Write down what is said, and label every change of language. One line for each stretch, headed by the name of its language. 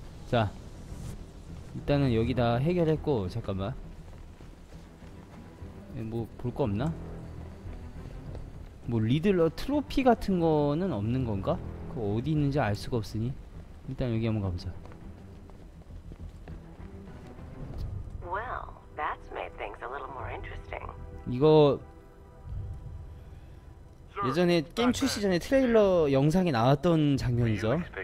Korean: 자. 일단은 여기 다 해결했고, 잠깐만. 뭐, 볼 거 없나? 뭐, 리들러 트로피 같은 거는 없는 건가? 그 어디 있는지 알 수가 없으니. 일단 여기 한번 가보자.
English: Well, that's made things a little more interesting.
Korean: 이거. 예전에 게임 출시 전에 트레일러 영상에 나왔던 장면이죠.